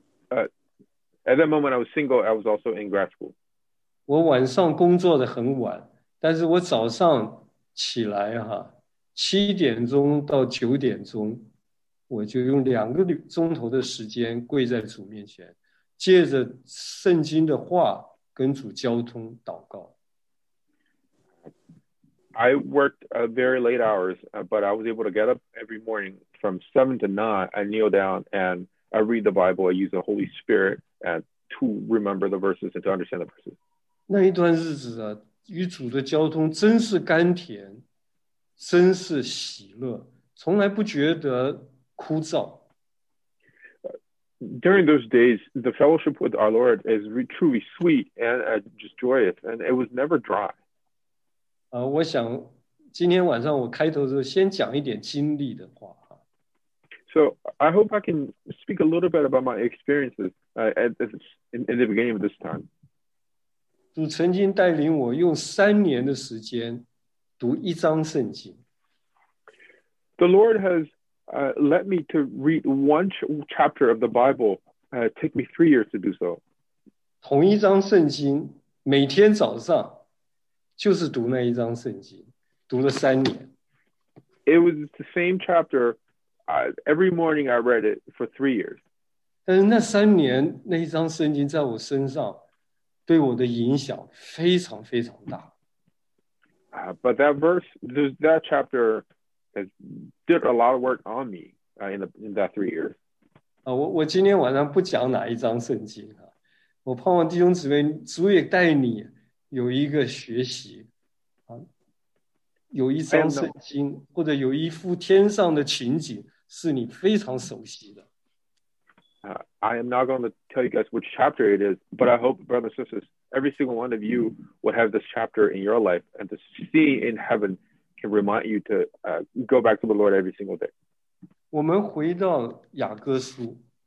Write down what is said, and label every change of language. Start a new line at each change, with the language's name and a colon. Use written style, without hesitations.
English: At that moment, I was single. I was also in grad school.
Chinese: 我晚上工作的很晚，但是我早上起来哈，七点钟到九点钟，我就用两个钟头的时间跪在主面前，借着圣经的话跟主交通祷告。
English: I worked very late hours, but I was able to get up every morning from 7 to 9. I kneel down and I read the Bible. I use the Holy Spirit to remember the verses and to understand the verses.
Chinese: 那一段日子啊，与主的交通真是甘甜，真是喜乐，从来不觉得枯燥。
English: During those days, the fellowship with our Lord is truly sweet and just joyous, and it was never dry.
Chinese: 我想今天晚上我开头的时候先讲一点经历的话。
English: So I hope I can speak a little bit about my experiences in the beginning of this time.
Chinese: 主曾经带领我用三年的时间读一章圣经。
English: The Lord has led me to read one chapter of the Bible. Take me 3 years to do so.
Chinese: 同一章圣经，每天早上。就是读那一章圣经，读了三年。
English: It was the same chapter. Every morning I read it for 3 years.
Chinese: 但是那三年那一章圣经在我身上对我的影响非常非常大。
English: But that verse, that chapter has did a lot of work on me in that 3 years.
Chinese: 我今天晚上不讲哪一章圣经啊，我盼望弟兄姊妹主也带你。有一个学习，有一章圣经，或者有一幅天上的情景，是你非常熟悉的。
English: I am not going to tell you guys which chapter it is, but I hope, brothers and sisters, every single one of you would have this chapter in your life, and to see in heaven can remind you to go back to the Lord every single day.
Chinese: 我们回到雅各书。